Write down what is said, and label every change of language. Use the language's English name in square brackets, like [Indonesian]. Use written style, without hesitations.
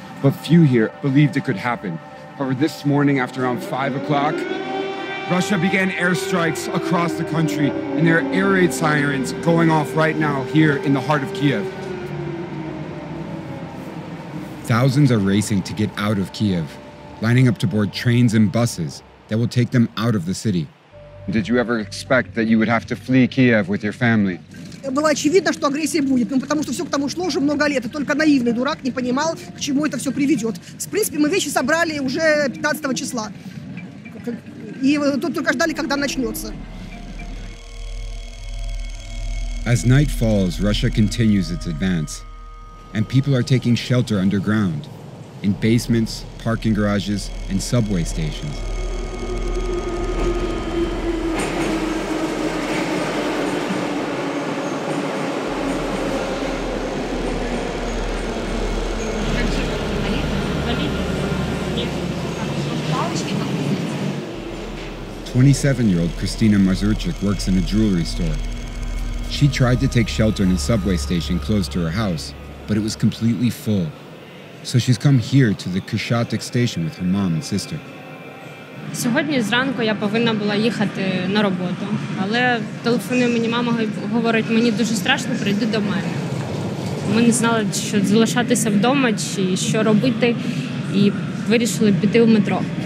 [English] But few here believed it could happen. However, this morning after around 5 o'clock, Russia began airstrikes across the country, and there are air raid sirens going off right now here in the heart of Kiev. Thousands are racing to get out of Kiev, lining up to board trains and buses that will take them out of the city. Did you ever expect that you would have to flee Kiev with your family? [Russian] Было очевидно, что агрессия будет, ну потому что все к тому шло уже много лет, и только наивный дурак не понимал, к чему это все приведет. В принципе, мы вещи собрали уже 15 числа, и тут только ждали, когда начнется. [English] As night falls, Russia continues its advance, and people are taking shelter underground, in basements, parking garages, and subway stations. A 27-year-old Kristina Mazurchik works in a jewelry store. She tried to take shelter in a subway station close to her house, but it was completely full. So she's come here to the Kishatik station with her mom and sister. [Ukrainian] Сьогодні зранку я повинна була їхати на роботу, але телефонує мені мама, говорить, мені дуже страшно, прийди до мене. Ми не знали, що залишатися вдома чи що робити, і вирішили піти в метро.